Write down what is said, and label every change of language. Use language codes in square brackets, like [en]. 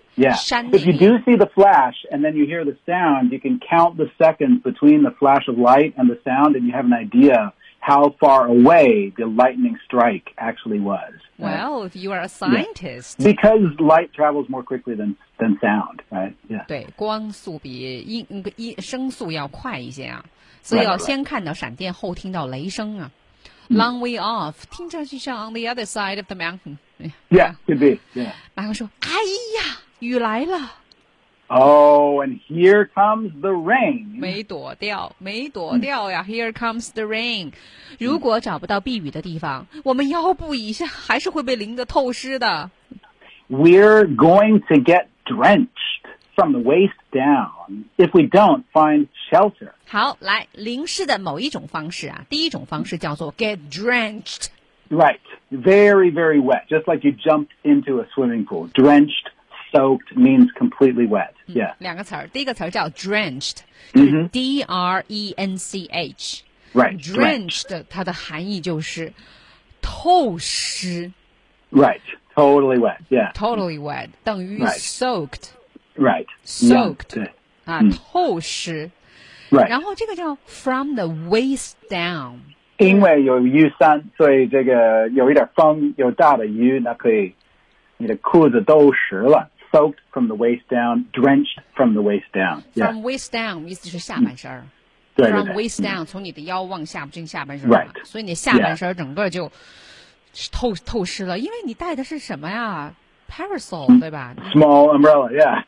[en] Yeah, if you do see the flash and then you hear the sound, you can count the seconds between the flash of light and the sound, and you have an idea how far away the lightning strike actually was. Right? Well, if you are a scientist. Yeah. Because light travels more quickly than sound, right? Yeah. [zh] 对光速比声速要快一些啊。所以要先看到闪电后听到雷声啊。 [en] long way off. [zh] 听上去像 [en] on the other side of the mountain. Yeah, could be. Yeah. [zh] 马克说，哎呀，雨来了。 [en] Oh, and here comes the rain. [zh] 没躲掉，没躲掉呀。 [en] Here comes the rain. [zh] 如果找不到避雨的地方，我们腰部以下还是会被淋得透湿的。 [en] We're going to get drenched from the waist down if we don't find shelter. [zh] 好，来，淋湿的某一种方式啊，第一种方式叫做 [en] get drenched. Right, very, very wet, just like you jumped into a swimming pool. Drenched, soaked means completely wet. Yeah. [zh] 两个词儿，第一个词儿叫 drenched,、 mm-hmm. [en] D-R-E-N-C-H. Right, [zh] drenched, 它的含义就是透湿。 [en] Right. Totally wet, yeah. Totally wet, [zh] 等于 [en] soaked. Right. Soaked. Yeah, [zh] 啊、mm. 透湿。 [en] Right. [zh] 然后这个叫 [en] from the waist down. [zh] 因为有雨伞，所以这个有一点风，有大的雨，那可以你的裤子都湿了。 [en] Soaked from the waist down, drenched from the waist down.、Yeah. From waist down, [zh] 意思是下半身。 Mm. 对 [en] From waist down,、 [zh] mm. 从你的腰往下不就是下半身吗 [en] Right. [zh] 所以你下半身整个就、 [en] yeah. [zh] 透湿了，因为你带的是什么呀 ？Parasol 对吧 [en] ？Small umbrella, yeah.